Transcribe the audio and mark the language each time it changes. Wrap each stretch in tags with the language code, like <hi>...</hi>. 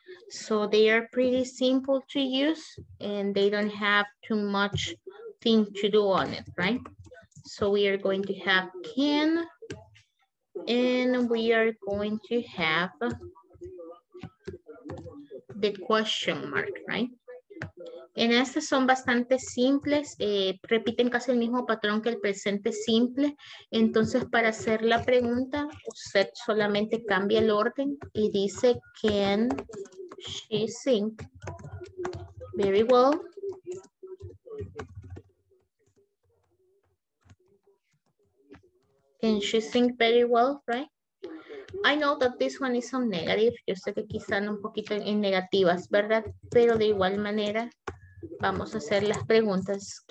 <en>So they are pretty simple to use and they don't have too much thing to do on it, right? So we are going to have can and we are going to have the question mark, right?</en> <es>En estas son bastante simples, repiten casi el mismo patrón que el presente simple. Entonces, para hacer la pregunta, usted solamente cambia el orden y dice,</es> <en>can she sing? Very well. Can she sing very well, right? I know that this one is on negative.</en> <es>Yo sé que quizá un poquito en negativas, ¿verdad? Pero de igual manera, vamos a hacer las preguntas.</es>